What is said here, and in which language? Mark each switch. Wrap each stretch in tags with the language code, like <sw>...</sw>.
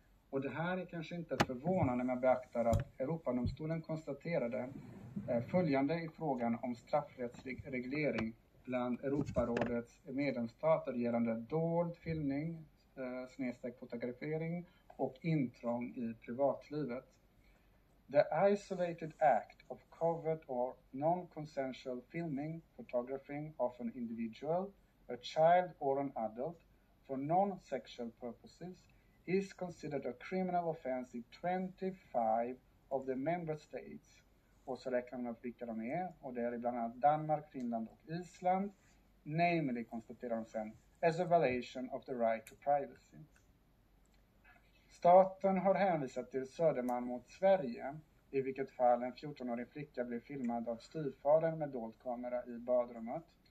<sv>Och det här är kanske inte förvånande när man beaktar att Europadomstolen konstaterade följande i frågan om straffrättslig reglering bland Europarådets medlemsstater gällande dold filmning, snedstreck fotografering och intrång i privatlivet.</sv> <en>The isolated act of covert or non-consensual filming, photographing of an individual, a child or an adult, for non-sexual purposes, is considered a criminal offense in 25 of the member states.</en> <sv>Och så räknar man upp vilka de är, och det är bland annat Danmark, Finland och Island.</sv> <en>Namely,</en> <sv>konstaterar de sen,</sv> <en>as a violation of the right to privacy.</en> <sv>Staten har hänvisat till Söderman mot Sverige, I vilket fall en 14-årig flicka blev filmad av styvfadern med dold kamera i badrummet.</sv>